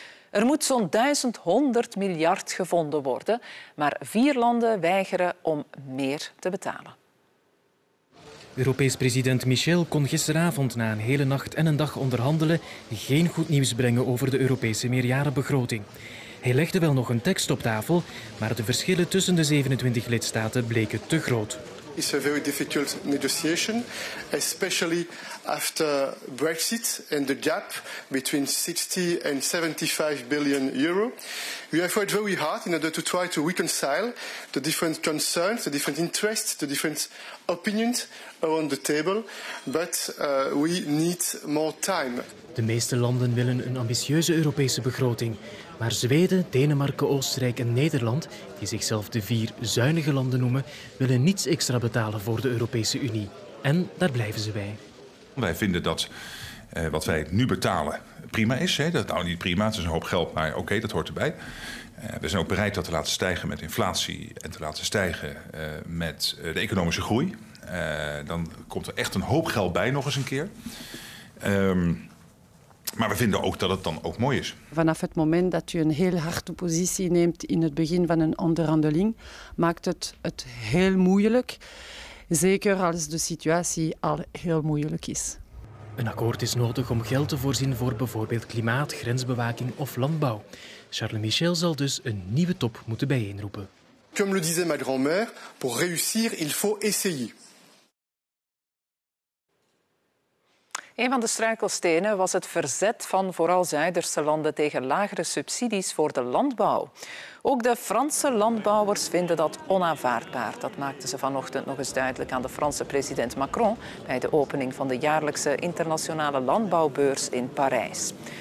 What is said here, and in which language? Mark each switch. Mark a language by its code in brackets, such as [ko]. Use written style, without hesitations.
[nl] Er moet zo'n 1.100 miljard gevonden worden, maar 4 landen weigeren om meer te betalen. Europees president Michel kon gisteravond na een hele nacht en een dag onderhandelen geen goed nieuws brengen over de Europese meerjarenbegroting. Hij legde wel nog een tekst op tafel, maar de verschillen tussen de 27 lidstaten bleken te groot. [en] It's a very difficult negotiation, especially after Brexit and the gap between 60 and 75 billion euro. We have worked very hard in order to try to reconcile the different concerns, the different interests, the different opinions around the table, but we need more time. [nl] De meeste landen willen een ambitieuze Europese begroting. Maar Zweden, Denemarken, Oostenrijk en Nederland, die zichzelf de 4 zuinige landen noemen, willen niets extra betalen voor de Europese Unie. En daar blijven ze bij. Wij vinden dat wat wij nu betalen prima is. Hè? Dat is nou niet prima, het is een hoop geld, maar oké, dat hoort erbij. We zijn ook bereid dat te laten stijgen met inflatie en te laten stijgen met de economische groei. Dan komt er echt een hoop geld bij nog eens een keer. Maar we vinden ook dat het dan ook mooi is. Vanaf het moment dat u een heel harde positie neemt in het begin van een onderhandeling, maakt het heel moeilijk. Zeker als de situatie al heel moeilijk is. Een akkoord is nodig om geld te voorzien voor bijvoorbeeld klimaat, grensbewaking of landbouw. Charles Michel zal dus een nieuwe top moeten bijeenroepen. [fr] Comme le disait ma grand-mère, pour réussir, il faut essayer. [nl] Een van de struikelstenen was het verzet van vooral Zuiderse landen tegen lagere subsidies voor de landbouw. Ook de Franse landbouwers vinden dat onaanvaardbaar. Dat maakten ze vanochtend nog eens duidelijk aan de Franse president Macron bij de opening van de jaarlijkse internationale landbouwbeurs in Parijs.